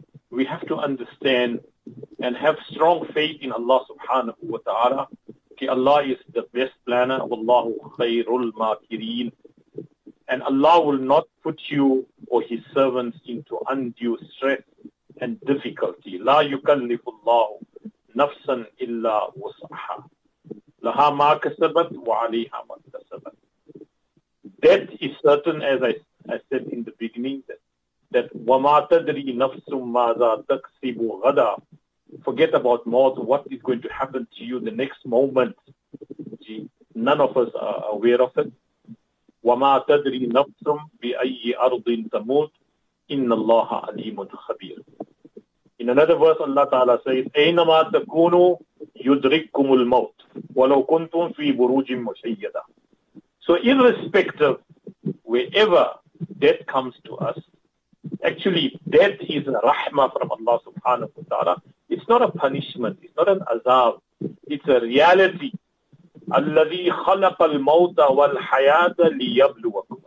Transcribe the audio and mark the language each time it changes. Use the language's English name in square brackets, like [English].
[English] We have to understand and have strong faith in Allah subhanahu wa ta'ala. Okay, Allah is the best planner. Wallahu khayrul makirin. And Allah will not put you or His servants into undue stress and difficulty. [Arabic] لا يكلف الله نفسا إلا وسعها لها ما كسبت وعليها ما اكتسبت. [English] Death is certain, as I said in the beginning, that [Arabic] وما تدري نفس ماذا تكسب غدا. [English] Forget about more, what is going to happen to you the next moment. None of us are aware of it. [Arabic] وما تدري نفس بأي أرض تموت إن الله عليم خبير. [English] In another verse, Allah Ta'ala says, [Arabic] أَيْنَمَا تَكُونُوا يُدْرِكُّمُ الْمَوْتِ وَلَوْ كُنْتُمْ فِي بُرُوجٍ مُشَيَّدًا. [English] So irrespective, wherever death comes to us, actually death is a rahmah from Allah Subhanahu Wa Ta'ala. It's not a punishment. It's not an azab. It's a reality. [Arabic] الَّذِي خَلَقَ الْمَوْتَ وَالْحَيَاةَ لِيَبْلُوَكُمْ.